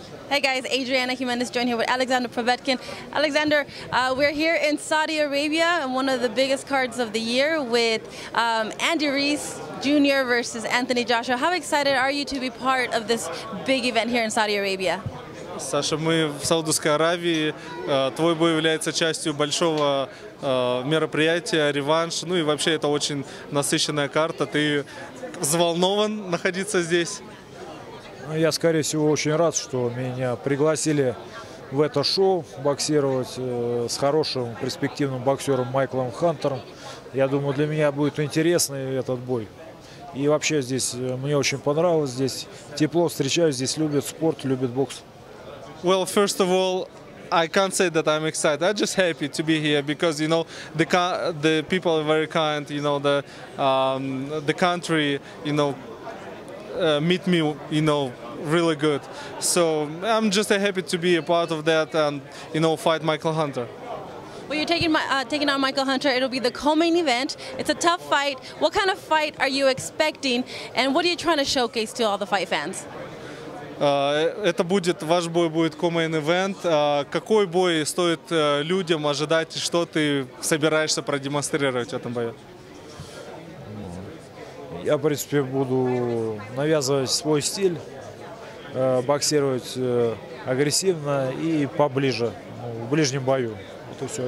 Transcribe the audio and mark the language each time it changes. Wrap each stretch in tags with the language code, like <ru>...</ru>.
<en>Hey guys, Adriana Jimenez joined here with Alexander Povetkin. Alexander, we're here in Saudi Arabia and one of the biggest cards of the year with Andy Ruiz Jr. versus Anthony Joshua. How excited are you to be part of this big event here in Saudi Arabia?</en> <ru>Саша, мы в Саудовской Аравии. Твой бой является частью большого мероприятия, реванш. Ну и вообще это очень насыщенная карта. Ты взволнован находиться здесь? Я, скорее всего, очень рад, что меня пригласили в это шоу боксировать с хорошим перспективным боксером Майклом Хантером. Я думаю, для меня будет интересный этот бой. И вообще здесь мне очень понравилось, здесь тепло встречаюсь, здесь любят спорт, любят бокс.</ru> <en>Well, first of all, I can't say that I'm excited. I'm just happy to be here because, you know, the people are very kind, you know, the country, you know, meet me, you know, really good. So I'm just happy to be a part of that and, you know, fight Michael Hunter. Well, you're taking on Michael Hunter. It'll be the co-main event. It's a tough fight. What kind of fight are you expecting? And what are you trying to showcase to all the fight fans?</en> <ru>Это будет, ваш бой будет co-main event. Какой бой стоит людям ожидать и что ты собираешься продемонстрировать в этом бою? Я, в принципе, буду навязывать свой стиль, боксировать агрессивно и поближе, в ближнем бою. Это все.</ru>